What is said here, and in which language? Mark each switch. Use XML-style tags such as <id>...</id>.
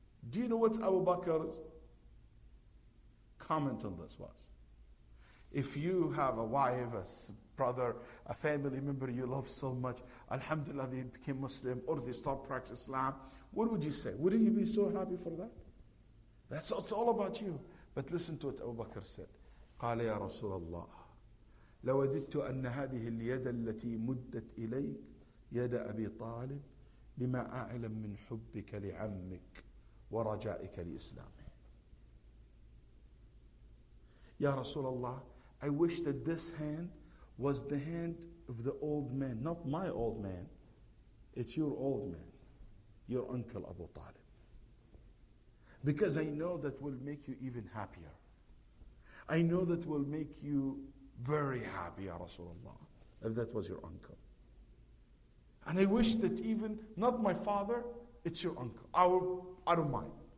<en>Do you know what Abu Bakr's comment on this was? If you have a wife, a brother, a family member you love so much, alhamdulillah, they became Muslim, or they start practicing Islam, what would you say? Wouldn't you be so happy for that? That's it's all about you. But listen to what Abu Bakr said.</en> <ar>قَالَ يَا رَسُولَ اللَّهِ لَوَدِدْتُ أَنَّ هَذِهِ الْيَدَ الَّتِي مُدَّتْ إِلَيْكَ يَدَ أَبِي طَالِبْ لِمَا أَعْلَمْ مِنْ حُبِّكَ لِعَمِّكَ وَرَجَائِكَ لِإِسْلَامِهِ. يَا رَسُولَ اللَّهِ,</ar> <en>I wish that this hand was the hand of the old man, not my old man. It's your old man, your uncle Abu Talib. Because I know that will make you even happier. I know that will make you very happy, Ya Rasulullah, if that was your uncle. And I wish that even, not my father, it's your uncle. I don't mind.</en>